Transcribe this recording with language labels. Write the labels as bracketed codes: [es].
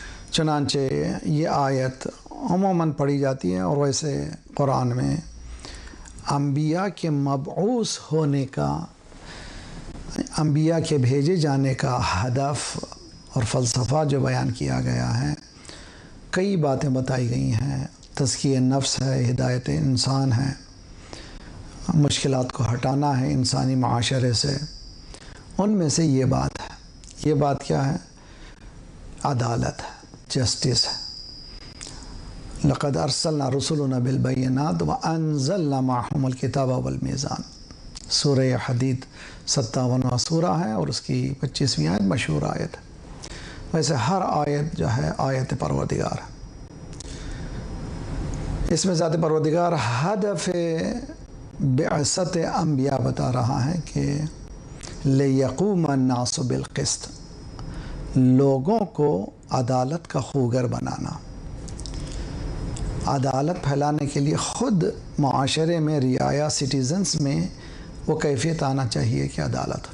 [ur] چنانچہ یہ آیت عموماً پڑھی جاتی ہے، اور ویسے قرآن میں انبیاء کے مبعوث ہونے کا، انبیاء کے بھیجے جانے کا ہدف اور فلسفہ جو بیان کیا گیا ہے، کئی باتیں بتائی گئی ہیں. تزکیہ نفس ہے، ہدایت انسان ہے، مشکلات کو ہٹانا ہے انسانی معاشرے سے. ان میں سے یہ بات ہے. یہ بات کیا ہے؟ عدالت ہے، جسٹس ہے. [ar] لقد ارسلنا رسلنا بالبينات وانزلنا معهم الكتاب والميزان. [ur] سورہ حدید 57واں سورہ ہے اور اس کی 25ویں آیت مشہور آیت ہے. ویسے ہر آیت جو ہے آیت پروردگار ہے. اس میں ذات پروردگار ہدف بعثت انبیاء بتا رہا ہے کہ [ar] لیقوم الناس بالقسط, [ur] لوگوں کو عدالت کا خوگر بنانا, عدالت پھیلانے کے لیے خود معاشرے میں رعایا سٹیزنز میں وہ کیفیت آنا چاہیے کہ عدالت.